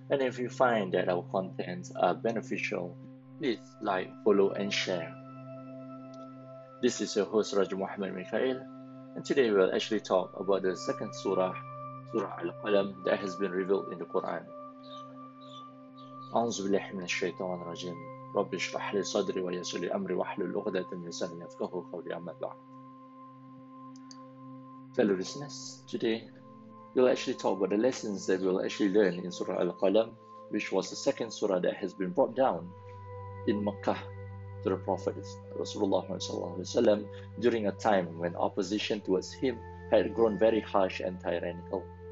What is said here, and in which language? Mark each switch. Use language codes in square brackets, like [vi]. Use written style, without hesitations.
[en] And if you find that our contents are beneficial, please like, follow and share. This is your host Raja Muhammad Mikhail. And today we will actually talk about the second surah, Surah Al-Qalam, that has been revealed in the Quran. [ar] A'udhu billahi minash shaitanir rajim. رب اشرح لي صدري ويسر لي امري واحلل عقدة من لساني يفقهوا قولي اما بعد. [en] Fellow listeners, today we'll actually talk about the lessons that we'll actually learn in Surah Al-Qalam, which was the second surah that has been brought down in Makkah to the Prophet Rasulullah sallallahu alaihi wasallam during a time when opposition towards him had grown very harsh and tyrannical.